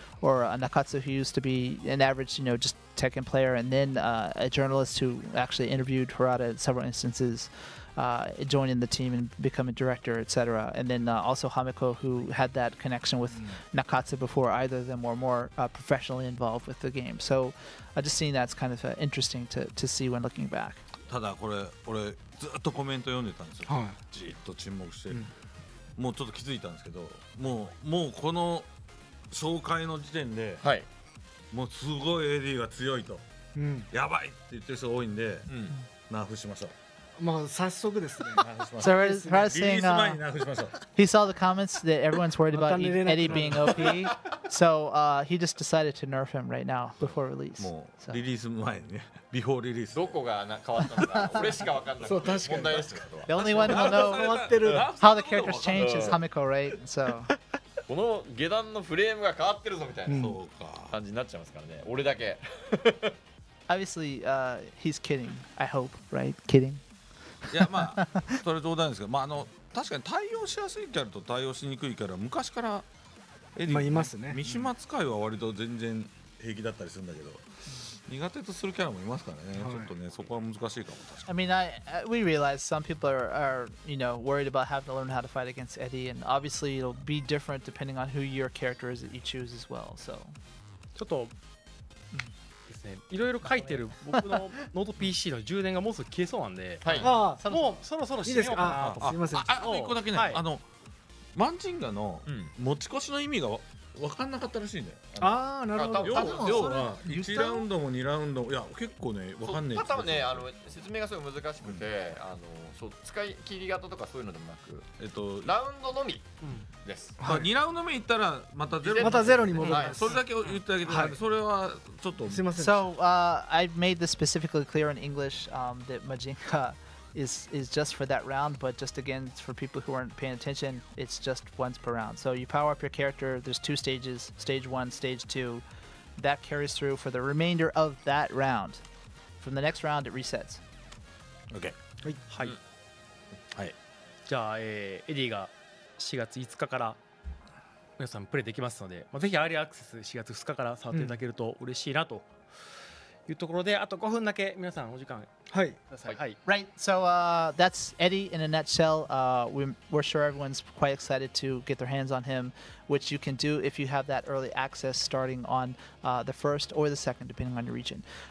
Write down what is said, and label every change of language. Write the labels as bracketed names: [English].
[English] Or Nakatsu, who used to be an average, you know, just Tekken player and then a journalist who actually interviewed Harada in several instances. Joining the team and becoming director, etc. And then also Hameko, who had that connection with Nakatsu before either of them were more professionally involved with the game. So I just seen that's kind of interesting to see when looking back. [Japanese] ただこれ俺ずっとコメント読んでたんですよ、はい、じっと沈黙して、うん、もうちょっと気づいたんですけど、もうこの紹介の時点で、はい、もうすごい AD が強いと、うん、やばいって言ってる人多いんで、うん、ナーフしましょう。もう早速ですね。 [English] So we're pressing. He saw the comments that everyone's worried about Eddie being OP. So he just decided to nerf him right now before release. [Japanese] もうリリース前ね。 [English] Before release. [Japanese] どこが変わったのか。これしかわかんない。そう確かに。問題ですけど。 [English] The only one who knows how the characters change is Hamiko, right? So. [Japanese] この下段のフレームが変わってるぞみたいな感じになっちゃいますからね。俺だけ。 [English] Obviously, he's kidding. I hope, right? Kidding. [Japanese] いやまあそれ冗談ですけど、まああの確かに対応しやすいキャラと対応しにくいキャラ昔からエディ、まあいますね。三島使いは割と全然平気だったりするんだけど、うん、苦手とするキャラもいますからね。はい、ちょっとねそこは難しいかも。確かに。 [English] I mean, we realize some people are you know worried about having to learn how to fight against Eddie, and obviously it'll be different depending on who your character is that you choose as well. So [Japanese] ちょっと。いろいろ書いてる僕のノート PC の充電がもうすぐ消えそうなんで、はい、あもうそろそろ死ねようかなと。すみません、あと1個だけね、はい、あのマンジンガの持ち越しの意味が分かんなかったらしいんだよ。ああなるほど。要は1ラウンドも2ラウンドも、いや結構ね分かんない、多分ね、あの説明がすごい難しくて、うん、あのそう使い切り型とかそういうのでもなく、ラウンドのみです、うん、はい、まあ、2ラウンド目いったらまたゼロ、またゼロに戻ります、はい、それだけ言ってあげて、はい、それはちょっとすいません。 [English] So I've made this specifically clear in English that Majinka is just for that round, but just again for people who aren't paying attention, it's just once per round. So you power up your character, there's two stages, stage one, stage two, that carries through for the remainder of that round. From the next round it resets. Okay. [Japanese] はい、はい、はい、じゃあ、エディが4月5日から皆さんプレイできますので、まあ、ぜひアーリーアクセス4月2日から触っていただけると嬉しいなと、うん、いうところで、あと5分だけ皆さんお時間ください。はい、はい、 [English] Right, so that's Eddie in a nutshell. We're sure everyone's quite excited to get their hands on him, which you can do if you have that early access starting on the 1st or the 2nd, depending on your region.